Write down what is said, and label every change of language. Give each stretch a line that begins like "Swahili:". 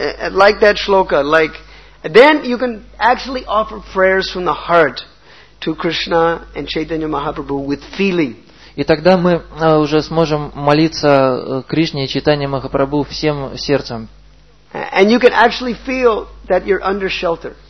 English: Like that shloka, like then you can actually offer prayers from the heart to Krishna and Chaitanya Mahaprabhu with feeling.
Russian: И тогда мы уже сможем молиться Кришне и Чайтанья Махапрабху всем сердцем.
English: And you can actually feel that you're under shelter.